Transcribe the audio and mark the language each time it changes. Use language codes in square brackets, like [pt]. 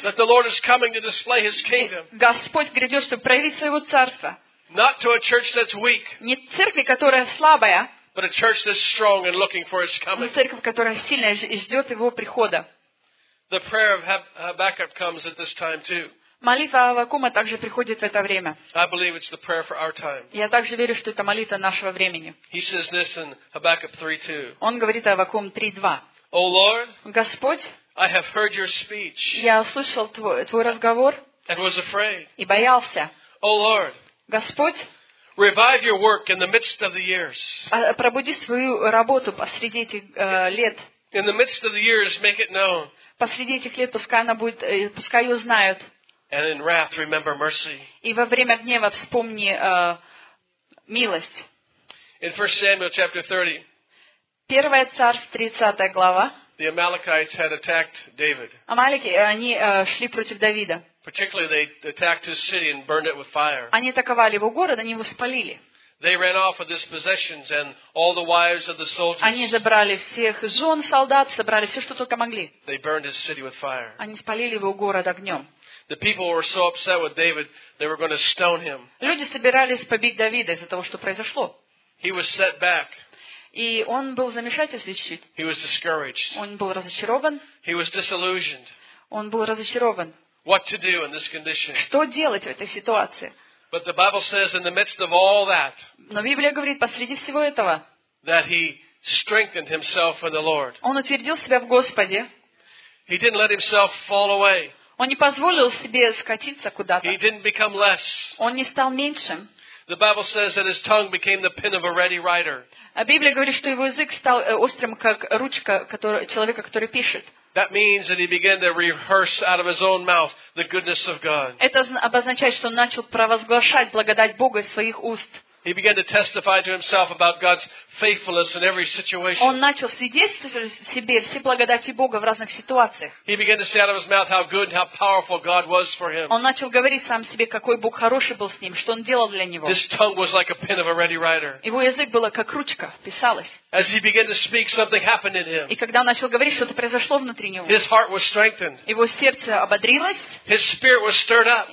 [en] That the Lord is coming to display His kingdom. [ru] Господь грядет, чтобы проявить своего царства. [en] Not to a church that's weak. [ru] Не церкви, которая слабая. [en] But a church that's strong and looking for His coming. [ru] Но церковь, которая сильная и ждет Его прихода. [en] The prayer of Habakkuk comes at this time too. [ru] Молитва Аввакума также приходит в это время. [en] I believe it's the prayer for our time. [ru] Я также верю, что это молитва нашего времени. [en] He says this in Habakkuk 3:2. [ru] Он говорит о Аввакум 3:2. [en] O Lord, [ru] Господь, [en] I have heard your speech. [ru] Я услышал твой разговор. [en] And was afraid. [ru] И боялся. [en] O Lord, [ru] Господь, [en] revive your work in the midst of the years. [ru] Пробуди свою работу посреди этих лет. [en] In the midst of the years, make it known. [ru] Посреди этих лет пускай она будет, пускай ее знают. [en] And in wrath, remember mercy. [ru] И во время гнева вспомни милость. [en] In 1 Samuel chapter 30, [ru] 1 Царств, 30 глава. [en] The Amalekites had attacked David. [ru] Амалеки, они шли против Давида. [en] Particularly they attacked his city and burned it with fire. [ru] Они атаковали его город, они его спалили. [en] They ran off with his possessions and all the wives of the soldiers. [ru] Они забрали всех жен солдат, собрали все, что только могли. [en] They burned his city with fire. [ru] Они спалили его город огнем. [en] The people were so upset with David, they were going to stone him. [ru] Люди собирались побить Давида из-за того, что произошло. [en] He was set back. [ru] И он был в замешательстве чуть-чуть. [en] He was discouraged. [ru] Он был разочарован. [en] He was disillusioned. [ru] Он был разочарован. [en] What to do in this condition? [ru] Что делать в этой ситуации? [en] But the Bible says in the midst of all that. [ru] Но Библия говорит посреди всего этого. [en] That he strengthened himself in the Lord. [ru] Он утвердил себя в Господе. [en] He didn't let himself fall away. [ru] Он не позволил себе скатиться куда-то. [en] He didn't become less. [ru] Он не стал меньшим. [en] The Bible says that his tongue became the pen of a ready writer. [ru] А Библия говорит, что его язык стал острым как ручка, которая человека, который пишет. [en] That means that he began to rehearse out of his own mouth the goodness of God. [ru] Это обозначает, что он начал провозглашать благодать Бога из своих уст. [en] He began to testify to himself about God's faithfulness in every situation. [ru] Он начал свидетельствовать себе все благодати Бога в разных ситуациях. [en] He began to say out of his mouth how good and how powerful God was for him. [ru] Он начал говорить сам себе, какой Бог хороший был с ним, что он делал для него. [en] His tongue was like a pen of a ready writer. [ru] Его язык был как ручка, писалось. [en] As he began to speak, something happened in him. [ru] И когда он начал говорить, что-то произошло внутри него. [en] His heart was strengthened. [ru] Его сердце ободрилось. [en] His spirit was stirred up.